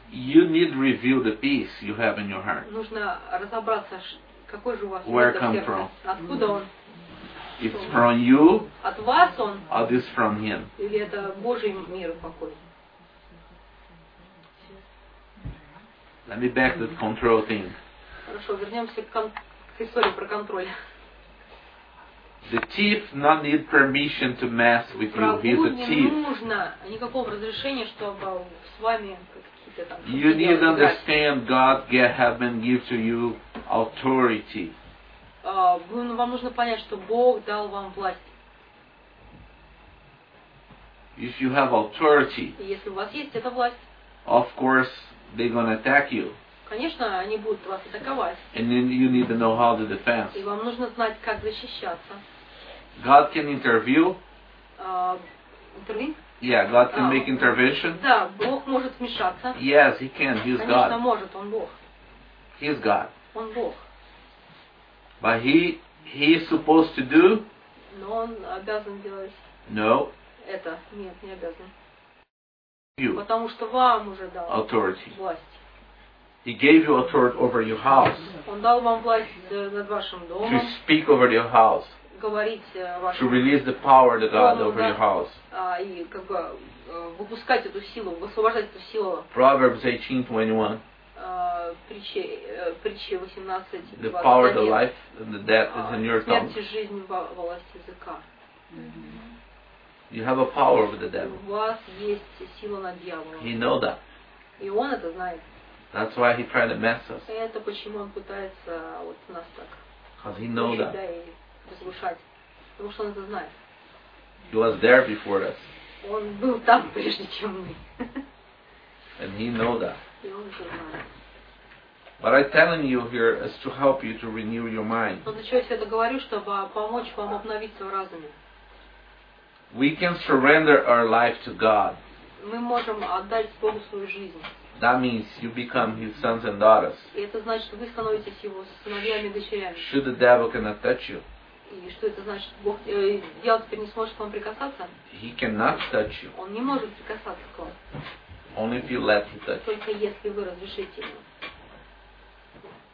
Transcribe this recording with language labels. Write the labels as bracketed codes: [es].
[en] You need to reveal the peace you have in your heart. [ru] Нужно разобраться, какой же у вас мир в сердце. [en] Where come from? [ru] Откуда он? [en] It's from you. [ru] От вас он? [en] Or this from him? [ru] Или это Божий мир и покой? [en] Let me back to the control thing. [ru] Хорошо, вернемся к истории про контроль. [en] The thief not need permission to mess with you. He's a thief. [ru] Не нужно никакого разрешения, чтобы с вами какие-то там. [en] You need to understand God has been give to you authority. [ru] Вам нужно понять, что Бог дал вам власть. [en] If you have authority. [ru] Если у вас есть эта власть. [en] Of course, they're gonna attack you. [ru] Конечно, они будут вас атаковать. [en] And then you need to know how to defend. [ru] И вам нужно знать, как защищаться. [en] God can intervene. Intervene? Yeah, God can make intervention. [ru] Да, Бог может вмешаться. [en] Yes, He can. He's [ru] Конечно, [en] God. [ru] Конечно, может, он Бог. [en] He's God. [ru] Он Бог. [en] But He is supposed to do. [ru] Но он обязан делать. [en] No. [ru] Это нет, не обязан. [en] You. [ru] Потому что вам уже дал [en] authority. [ru] Власть. [en] He gave you authority over your house. [ru] Он дал вам власть над вашим домом. [en] To speak over your house. [ru] Говорить вашим. [en] To release the power that God over your house. [ru] И как бы выпускать эту силу, высвобождать эту силу. [en] Proverbs 18:21. [ru] Притчи 18:21. [en] The power of the life and the death is in your tongue. [ru] Смерть и жизнь во власти языка. [en] You have a power over the devil. [ru] У вас есть сила над дьяволом. [en] He know that. [ru] И он это знает. [en] That's why he tried to mess us. [ru] Это почему он пытается вот нас так. [en] Because he know that. [ru] Разрушать, потому что он это знает. [en] He was there before us. [ru] Он был там прежде чем мы. [en] And he know that. [ru] И он это знает. [en] But I'm telling you here is to help you to renew your mind. [ru] Но для чего я это говорю, чтобы помочь вам обновить свой разум. [en] We can surrender our life to God. [ru] Мы можем отдать Богу свою жизнь. [en] That means you become his sons and daughters. [ru] И это значит, вы становитесь его сыновьями и дочерями. [en] Should the devil cannot touch you? [ru] И что это значит? Бог, дьявол теперь не сможет к вам прикасаться? [en] He cannot touch you. [ru] Он не может прикасаться к вам. [en] Only if you let him touch. [ru] Только если вы разрешите ему.